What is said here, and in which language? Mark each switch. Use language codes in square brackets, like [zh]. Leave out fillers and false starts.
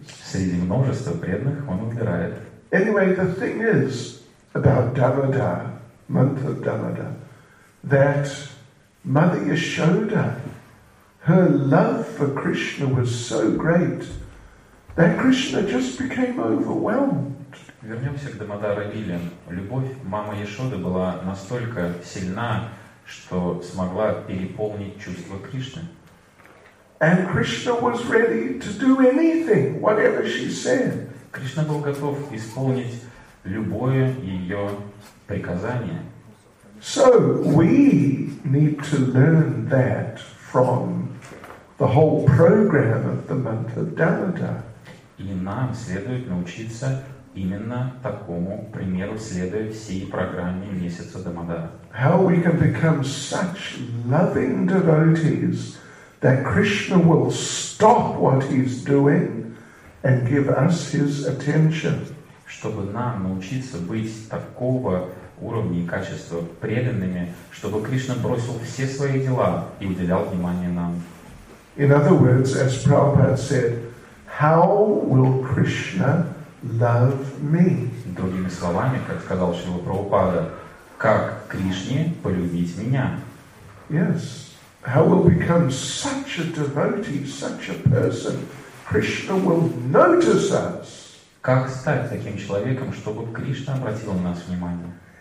[ru] Среди множества преданных он выбирает. [en] Anyway, the thing is about Damodar, month of Damodar, that Mother Yashoda, her love for Krishna was so great that Krishna just became overwhelmed. [ru] Вернемся к Дамодара Лиле. Любовь мамы Яшоды была настолько сильна, что смогла переполнить чувства Кришны. [en] And Krishna was ready to do anything, whatever she said. [ru] Кришна был готов исполнить любое ее приказание. [en] So we need to learn that from the whole program of the month of Damodar. [ru] И нам следует научиться именно такому примеру, следуя всей программе месяца Дамодара. [en] How we can become such loving devotees that Krishna will stop what he's doing and give us his attention. [ru] Чтобы нам научиться быть такого уровня и качества преданными, чтобы Кришна бросил все свои дела и уделял внимание нам. [en] In other words, as Prabhupada said, how will Krishna love me? [ru] Другими словами, как сказал Шрила Прабхупада, как Кришне полюбить меня? [en] Yes. How will become such a devotee, such a person? Krishna will notice us. [ru] Как стать таким человеком, чтобы Кришна обратил на нас внимание?